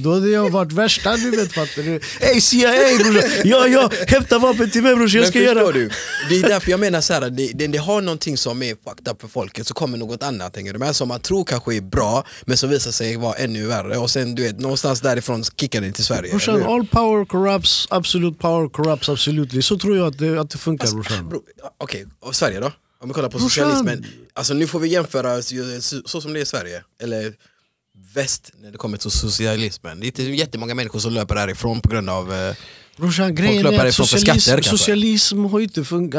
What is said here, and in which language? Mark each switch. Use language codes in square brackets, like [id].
[sv] Då hade jag varit värsta, du vet, fattar du? Hey, CIA, brorsan. Ja, hämta vapen till mig, brorsan. Jag ska göra... Men förstår du? Det är därför jag menar så här. Det har någonting som är fucked up för folket, så kommer något annat, hänger du med? Som man tror kanske är bra, men som visar sig vara ännu värre. Och sen, du vet, någonstans därifrån kickar det till Sverige. [en] Brorsan, all power corrupts, absolute power corrupts, absolutely. [sv] Så tror jag att det funkar, alltså, brorsan. Okej, och Sverige då? Om vi kollar på socialismen. Alltså, nu får vi jämföra så som det är i Sverige. Eller väst, när det kommer till socialismen. Det är jättemånga människor som löper därifrån på grund av... Brorsan, grejen är att socialism har inte funkat.